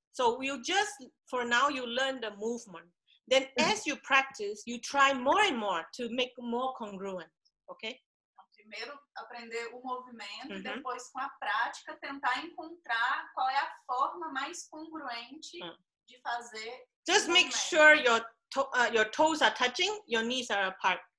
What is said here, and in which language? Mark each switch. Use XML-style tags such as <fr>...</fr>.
<en>So you just for now you learn the movement. Then as you practice, you try more and more to make more congruent. Okay?</en> <pt>Primeiro aprender o movimento, depois com a prática tentar encontrar qual é a forma mais congruente de fazer.</pt> <en>Just make sure your toes are touching, your knees are apart.</en>